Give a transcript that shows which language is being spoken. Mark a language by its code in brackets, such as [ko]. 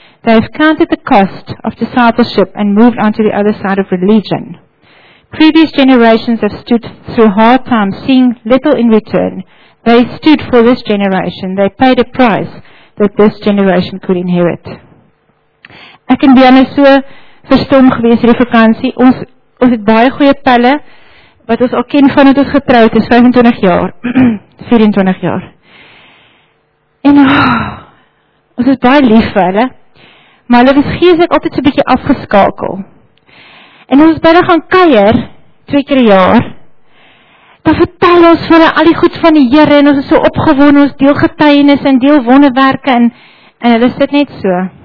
[en] They have counted the cost of discipleship and moved on to the other side of religion. Previous generations have stood through hard times, seeing little in return. They stood for this generation. They paid a price that this generation could inherit. [af] Ek en Diana so verstom gewees hierdie vakansie. Ons het baie goeie pelle, wat ons al ken van het ons getrouwd is, 25 jaar, 24 jaar. En ons is baie lief vir hulle, maar hulle was geestelik altyd so'n bietjie afgeskakel. En ons bidde gaan kuier, 2 keer per jaar, dan vertel ons vir hulle al die goeds van die Here, en ons is so opgewonde, ons deel getuienis en deel wonderwerke, en hulle sit net so.